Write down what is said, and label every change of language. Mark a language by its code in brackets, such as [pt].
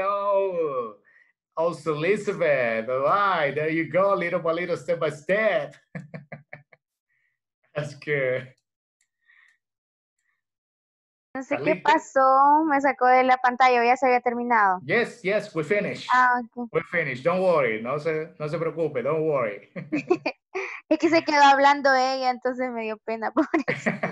[en] Oh, also Elizabeth, all right, there you go, little by little, step by step. That's good. [es] No sé qué pasó, me sacó de la pantalla, ya se había terminado. [en] Yes, yes, we finished. Ah, okay. We finished, don't worry, [es] no se preocupe, [en] don't worry. [es] Es que se quedó hablando ella, entonces me dio pena por eso.